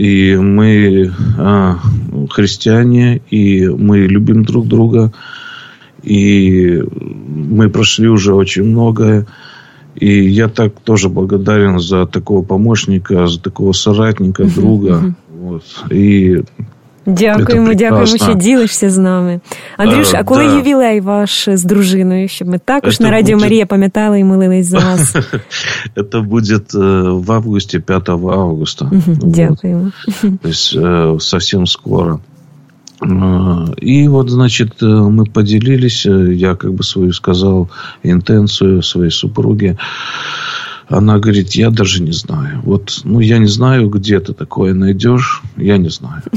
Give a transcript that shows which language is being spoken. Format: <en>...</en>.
<ru>И мы христиане, и мы любим друг друга, и мы прошли уже очень многое. И я так тоже благодарен за такого помощника, за такого соратника, друга. Вот. И...</ru> <uk>Дякуємо, дякуємо, що ділишся з нами. Андрюш, а коли ювілей ваш з дружиною, щоб ми також на Радіо Марія пам'ятали і молились за вас? Це буде в августі, 5 августа. Дякуємо. Тобто, зовсім скоро.</uk> <ru>И вот, значит, мы поделились, я как бы свою сказал интенцию своей супруге. Она говорит: я даже не знаю. Вот, ну, я не знаю, где ты такое найдешь, я не знаю.</ru>